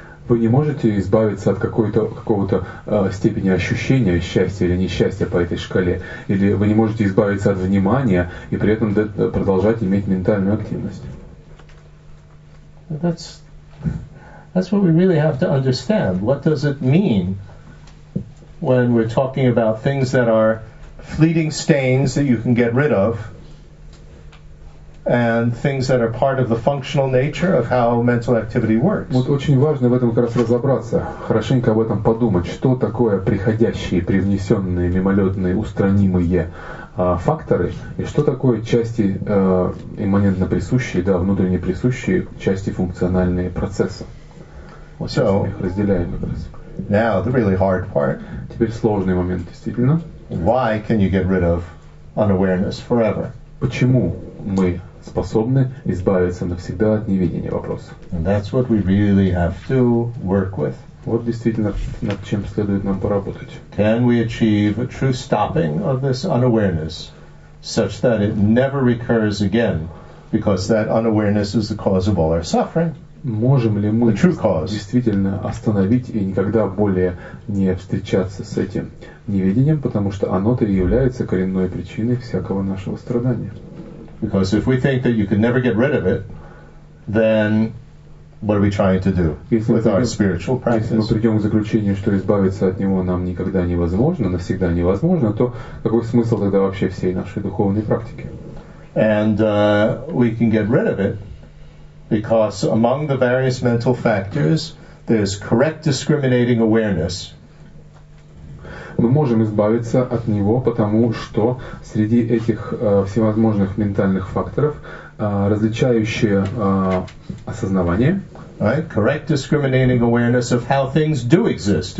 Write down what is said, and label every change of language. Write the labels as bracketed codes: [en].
[ru] Вы не можете избавиться от какого-то степени ощущения счастья или несчастья по этой шкале. Или вы не можете избавиться от внимания и при этом продолжать иметь ментальную активность. [en] That's what we really have to understand. What does it mean when we're talking about things that are fleeting stains that you can get rid of? And things that are part of the functional nature of how mental activity works. [ru] Вот очень важно в этом как раз разобраться, хорошенько об этом подумать, что такое приходящие, привнесенные, мимолетные, устранимые факторы, и что такое части имманентно присущие, да, внутренне присущие части функциональные процесса. Вот [en] so, [ru] мы их разделяем как раз. [en] Now the really hard part. [ru] Теперь сложный момент, действительно. [en] Why can you get rid of unawareness forever? [ru] Почему мы способны избавиться навсегда от неведения вопроса? [en] And that's what we really have to work with. [ru] Вот действительно, над чем следует нам поработать. [en] Can we achieve a true stopping of this unawareness such that it never recurs again, because that unawareness is the cause of all our suffering? [ru] Можем ли мы действительно остановить и никогда более не встречаться с этим неведением, потому что оно-то и является коренной причиной всякого нашего страдания? [en] Because if we think that you can never get rid of it, then what are we trying to do with our spiritual practice? [ru] Если мы придем к заключению, что избавиться от него нам никогда невозможно, навсегда невозможно, то какой смысл тогда вообще всей нашей духовной практики? [en] And we can get rid of it because among the various mental factors, there's correct discriminating awareness. [ru] мы можем избавиться от него, потому что среди этих всевозможных ментальных факторов, различающие осознавание, [en] right? Correct discriminating awareness of how things do exist.